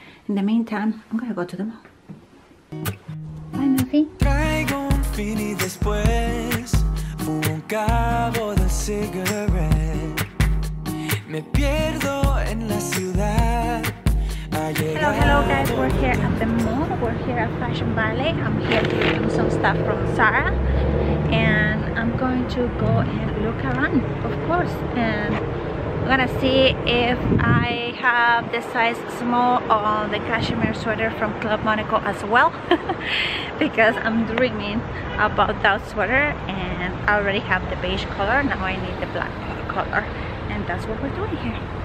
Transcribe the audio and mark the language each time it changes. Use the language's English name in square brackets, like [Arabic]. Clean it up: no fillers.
[English] In the meantime, I'm going to go to the mall. Bye, Muffy. [Spanish] Traigo un fini después, un cabo de cigarette. Me pierdo en la ciudad. [English] Hello guys, we're here at the mall, we're here at Fashion Valley. I'm here to get some stuff from Zara, and I'm going to go and look around, of course, and I'm gonna see if I have the size small on the cashmere sweater from Club Monaco as well, because I'm dreaming about that sweater, and I already have the beige color, now I need the black color, and that's what we're doing here.